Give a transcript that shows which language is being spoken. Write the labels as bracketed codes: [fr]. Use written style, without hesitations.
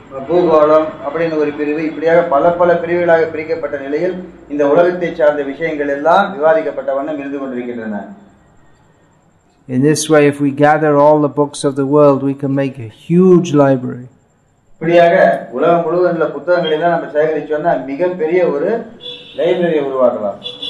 [ta] பூகோளம் அப்படின்னு ஒரு பிரிவு, இப்படியாக பல பல பிரிவுகளாக பிரிக்கப்பட்ட நிலையில் இந்த உலகத்தை சார்ந்த விஷயங்கள் எல்லாம் விவாதிக்கப்பட்ட வண்ணம் இருந்து கொண்டிருக்கின்றன. [en] In this way, if we gather all the books of the world, we can make a huge library. [ta] இப்படியாக உலகம் முழுவதும் உள்ள புத்தகங்களை எல்லாம் நம்ம சேகரிச்சோம்னா மிகப்பெரிய ஒரு லைப்ரரியை உருவாக்கலாம்.